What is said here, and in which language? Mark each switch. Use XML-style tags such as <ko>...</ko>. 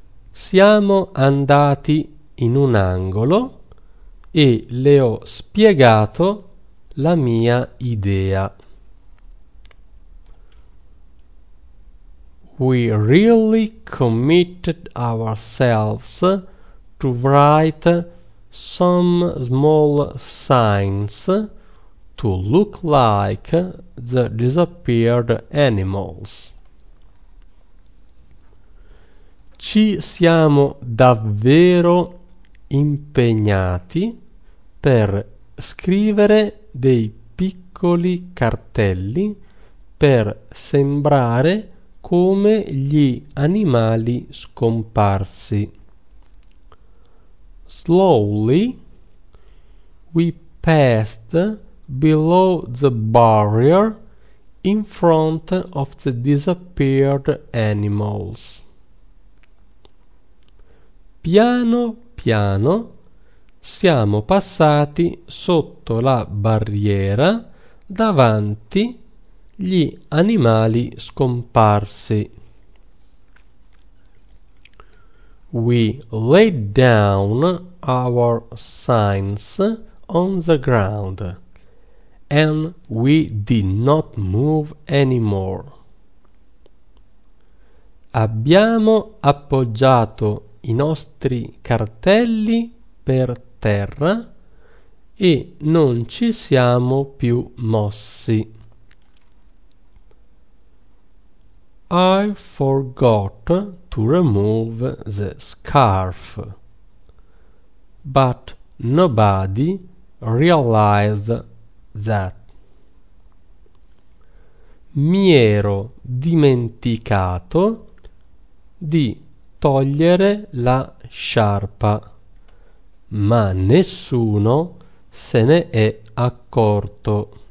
<it>Siamo andati in un angolo e le ho spiegato la mia idea.</it> <en>We really committed ourselves to write some small signs to look like the disappeared animals.</en> <it>Ci siamo davvero impegnati per scrivere dei piccoli cartelli per sembrare come gli animali scomparsi.</it> <en>Slowly we passed below the barrier in front of the disappeared animals.</en> <it>Piano piano siamo passati sotto la barriera davanti gli animali scomparsi.</it> <en>We laid down our signs on the ground and we did not move anymore.</en> <it>Abbiamo appoggiato i nostri cartelli per terra e non ci siamo più mossi.</it> <en>I forgot to remove the scarf, but nobody realized that.</en> <it>Mi ero dimenticato di togliere la sciarpa, ma nessuno se ne è accorto.</it>